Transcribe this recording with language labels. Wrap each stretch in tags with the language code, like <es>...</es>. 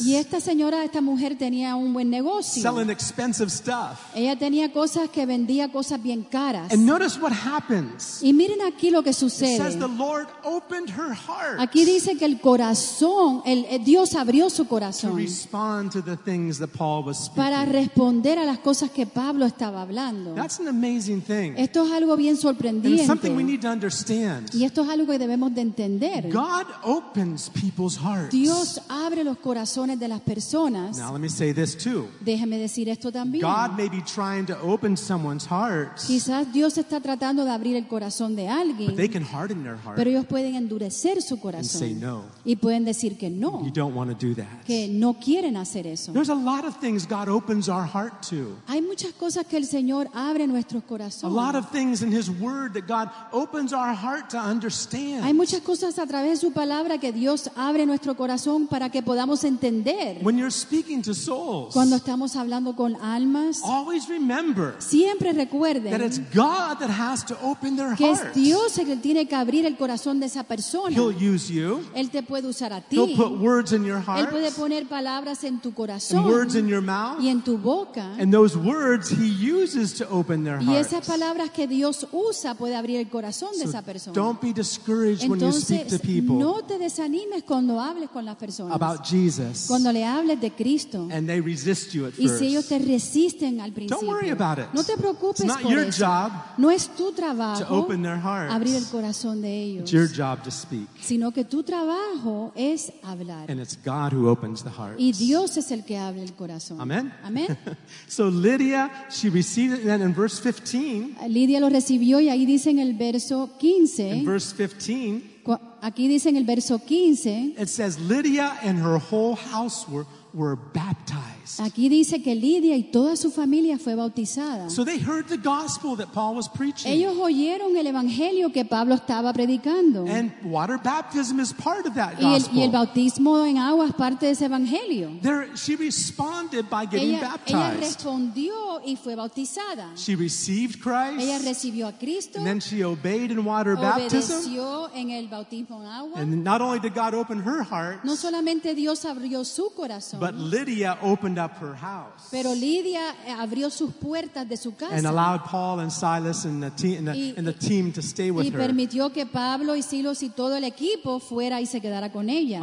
<es>Y esta mujer tenía un buen negocio.</es> <en>Selling expensive stuff.</en> <es>Ella tenía cosas que vendía cosas bien caras.</es> <en>And notice what happens.</en> <es>Y miren aquí lo que sucede.</es> <en>It says the Lord opened her heart.</en> <es>Aquí dice que el corazón, Dios abrió su corazón.</es> <en>To respond to the things that Paul was speaking.</en> <es>Para responder a las cosas que Pablo estaba hablando.</es> <en>That's an amazing thing.</en> <es>Esto es algo bien sorprendente.</es> <en>And it's something we need to understand.</en> <es>Y esto es algo que debemos de entender.</es> <en>God opens people's hearts.</en> <es>Dios abre los corazones de las personas.</es> <en>Now let me say this too.</en> <es>Déjeme decir esto también.</es> <en>God may be trying to open someone's heart.</en> <es>Quizás Dios está tratando de abrir el corazón de alguien.</es> <en>But they can harden their heart.</en> <es>Pero ellos pueden endurecer su corazón.</es> <en>And say no.</en> <es>Y pueden decir que no.</es> <en>You don't want to do that.</en> <es>Que no quieren hacer eso.</es> <en>There's a lot of things God opens our heart to.</en> <es>Hay muchas cosas que el Señor abre nuestros corazones.</es> <en>A lot of things in His Word that God opens our heart to understand.</en> <es>Hay muchas cosas a través de su palabra palabra que Dios abre nuestro corazón para que podamos entender.</es> <en>When you're speaking to souls,</en> <es>cuando estamos hablando con almas,</es> <en>always remember,</en> <es>siempre recuerden</es> <en>that it's God that has to open their</en> <es>que es Dios el que tiene que abrir el corazón de esa persona.</es> <en>He'll use you.</en> <es>Él te puede usar a ti.</es> <en>He'll put words in your heart.</en> <es>Él puede poner palabras en tu corazón</es> <en>and words in your mouth,</en> <es>y en tu boca.</es> <en>And those words he uses to open their</en> <es>y esas palabras que Dios usa puede abrir el corazón</es> <en>so</en> <es>de esa persona.</es> <en>Don't be discouraged</en> <es>entonces,</es> <en>when you speak to people.</en> <es>No te desanimes cuando hables con las personas.</es> <en>About Jesus.</en> <es>Cuando le hables de Cristo.</es> <en>And they resist you at</en> <es>y</es> <en>first.</en> <es>Si ellos te resisten al principio.</es> <en>Don't worry about it.</en> <es>No te preocupes</es> <en>it's not</en> <es>por</es> <en>your</en> <es>eso.</es> <en>Job</en> <es>no es tu trabajo</es> <en>to open their hearts,</en> <es>abrir el corazón de ellos.</es> <en>It's your job to speak.</en> <es>Sino que tu trabajo es hablar.</es> <en>And it's God who opens the hearts.</en> <es>Y Dios es el que abre el corazón.</es> <en>Amen.</en> <es>Amen.</es> <en>So Lydia, she received it, and then in verse 15.</en> <es>Lydia lo recibió y ahí dice en el verso 15.</es> <en>In verse 15.</en> <es>Aquí dice en el verso 15.</es> <en>It says Lydia and her whole house were baptized.</en> <es>Aquí dice que Lidia y toda su familia fue bautizada.</es> <en>So they heard the gospel that Paul was preaching.</en> <es>Ellos oyeron el evangelio que Pablo estaba predicando.</es> <en>And water baptism is part of that gospel.</en> <es>Y el bautismo en agua es parte de ese evangelio.</es> <en>She responded by getting baptized.</en> <es>Ella respondió y fue bautizada.</es> <en>She received Christ.</en> <es>Ella recibió a Cristo.</es> <en>And then she obeyed in water baptism.</en> <es>Obedeció en el bautismo en agua.</es> <en>And not only did God open her heart.</en> <es>No solamente Dios abrió su corazón.</es> <en>But Lydia opened up her house.</en> <es>Pero Lidia abrió sus puertas de su casa.</es> <en>And allowed Paul and Silas and the team to stay with</en> <es>y</es> <en>her.</en> <es>Y permitió que Pablo y Silas y todo el equipo fuera y se quedara con ella.</es>